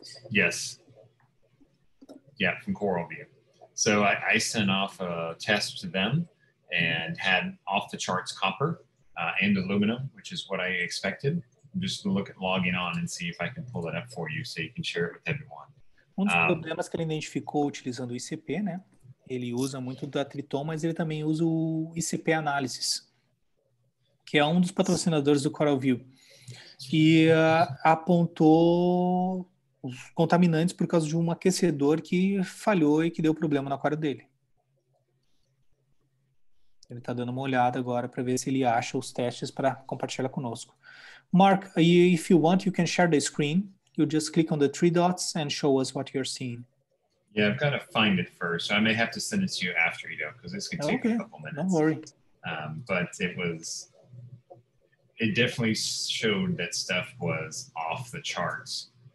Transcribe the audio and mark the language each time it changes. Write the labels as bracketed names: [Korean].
[English] Yes. Yeah, from Coral View. So I sent off a test to them and had off the charts copper and aluminum, which is what I expected. Just to look at logging on and see if I can pull it up for you so you can share it with everyone. [Portuguese] Um dos problemas que ele identificou utilizando o ICP, né? Ele usa muito da Triton, mas ele também usa o ICP Analysis, que é um dos patrocinadores do Coral View. E apontou os contaminantes por causa de um aquecedor que falhou e que deu problema no aquário dele. Ele está dando uma olhada agora para ver se ele acha os testes para compartilhar conosco. [English] Mark, if you want, you can share the screen. You just click on the three dots and show us what you're seeing. Yeah, I've got to find it first. So I may have to send it to you after, you know, because this could take okay. a couple minutes. Don't worry. But it was, it definitely showed that stuff was off the charts.